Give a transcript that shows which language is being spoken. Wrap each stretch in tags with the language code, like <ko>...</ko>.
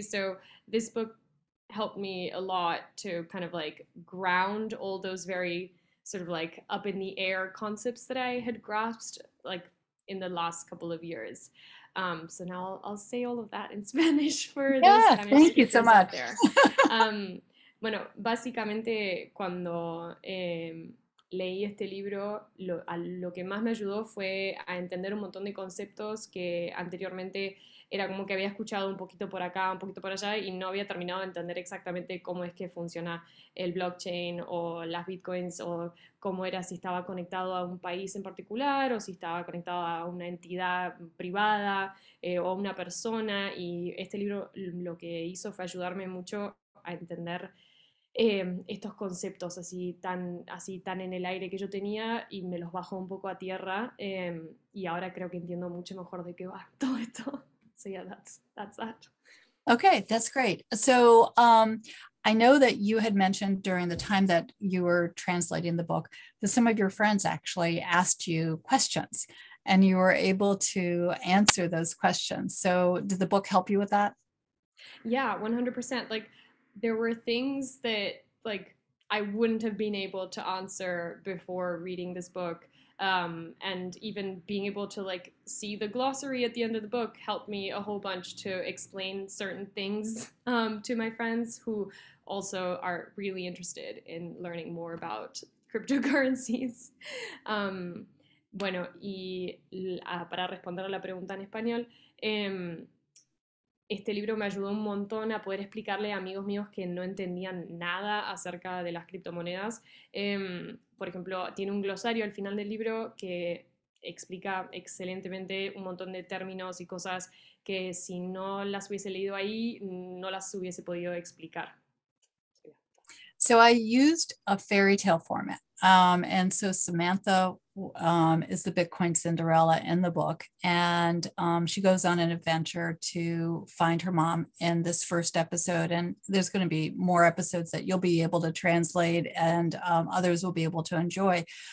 <en>So this book helped me a lot to kind of like ground all those very sort of like up in the air concepts that I had grasped like in the last couple of years. So now I'll say all of that in Spanish for those Spanish speakers out there.</en> <es>Bueno, básicamente cuando leí este libro, lo que más me ayudó fue a entender un montón de conceptos que anteriormente era como que había escuchado un poquito por acá, un poquito por allá y no había terminado de entender exactamente cómo es que funciona el blockchain o las bitcoins o cómo era si estaba conectado a un país en particular o si estaba conectado a una entidad privada o a una persona. Y este libro lo que hizo fue ayudarme mucho a entender estos conceptos así tan en el aire que yo tenía y me los bajó un poco a tierra y ahora creo que entiendo mucho mejor de qué va todo esto.</es> <en>So yeah, that's that. Okay, that's great. So I know that you had mentioned during the time that you were translating the book that some of your friends actually asked you questions and you were able to answer those questions. So did the book help you with that? Yeah, 100%. Like, there were things that like I wouldn't have been able to answer before reading this book. And even being able to like see the glossary at the end of the book helped me a whole bunch to explain certain things to my friends who also are really interested in learning more about cryptocurrencies.</en> <es>Bueno, y para responder a la pregunta en español, este libro me ayudó un montón a poder explicarle a amigos míos que no entendían nada acerca de las criptomonedas. Por ejemplo, tiene un glosario al final del libro que explica excelentemente un montón de términos y cosas que si no las hubiese leído ahí, no las hubiese podido explicar.</es> <en>So I used a fairy tale format. And so Samantha is the Bitcoin Cinderella in the book. And she goes on an adventure to find her mom in this first episode. And there's going to be more episodes that you'll be able to translate and others will be able to enjoy.</en>